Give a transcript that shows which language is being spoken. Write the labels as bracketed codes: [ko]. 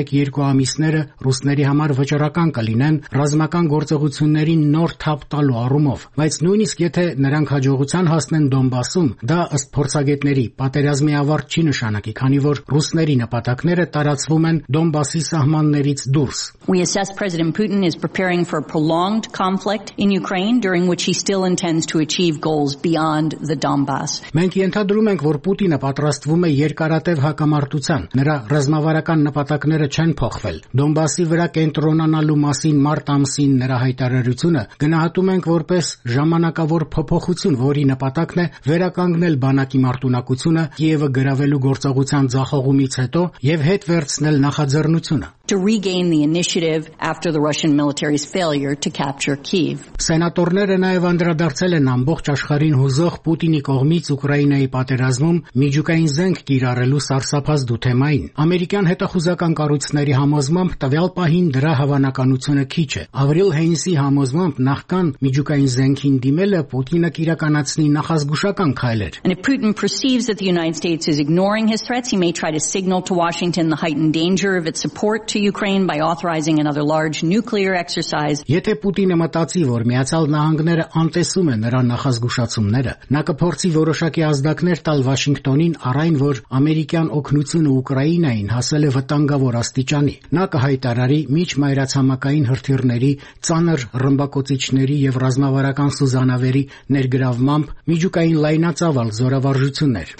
[hy] 1-2 ամիսները ռուսների համար վճռական կլինեն ռազմական գործողություններին նոր թափ տալու առումով, բայց նույնիսկ եթե նրանք հաջողության հասնեն Դոնբասում, դա ըստ փորձագետների պատերազմի ավարտ չի նշանակի, քանի որ ռուսների նպատակները տարածվում են Դոնբասի սահմաններից դուրս։ [en] We assess President Putin is preparing for a prolonged conflict in Ukraine during which he still intends to achieve goals beyond the Donbass. [hy] Մենք ենթադրում ենք, որ Պուտինը պատրաստվում է երկարատև հակամարտության։ Նրա ռազմավարական նպատակները չեն փոխվել։ Դոնբասի վրա կենտրոնանալու մասին մարտ ամսին նրա հայտարարությունը գնահատում ենք որպես ժամանակավոր փոփոխություն, որի նպատակն է վերականգնել բանակի մարտունակությունը Կիևը գրավելու գործողության ձախողումից հետո եւ հետ վերցնել նախաձեռնությունը։ [en] To regain the initiative after the Russian military's failure to capture Kyiv. [hy] Սենատորները նաև անդրադարձել են ամբողջ աշխարհին հուզող Պուտինի կողմից Ուկրաինայի պատերազմում միջուկային զենք կիրառելու սարսափազդու թեմային։ Ամերիկյան հետախուզական կառույցների համոզմամբ տվյալ պահին դրա հավանականությունը քիչ է։ Ավրիլ Հեյնսի համոզմամբ նախքան միջուկային զենքին դիմելը Պուտինը կիրականացնի նախազգուշական քայլեր։ [en] And if Putin perceives that the United States is ignoring his threats, he may try to signal to Washington the heightened danger of its support to Ukraine by authorizing another large nuclear exercise. [hy] Եթե Պուտինը մտածի, որ Միացյալ Նահանգները անտեսում են նրա նախազգուշացումները, նա կփորձի որոշակի ազդակներ տալ Վաշինգտոնին, առայն որ ամերիկյան օգնությունը Ուկրաինային հասել է վտանգավոր աստիճանի։ Նա կհայտարարի միջմայրացամաքային հրթիռների, ծանր ռմբակոծիչների եւ ռազմավարական սուզանավերի ներգրավմամբ միջուկային լայնածավալ զորավարժություններ։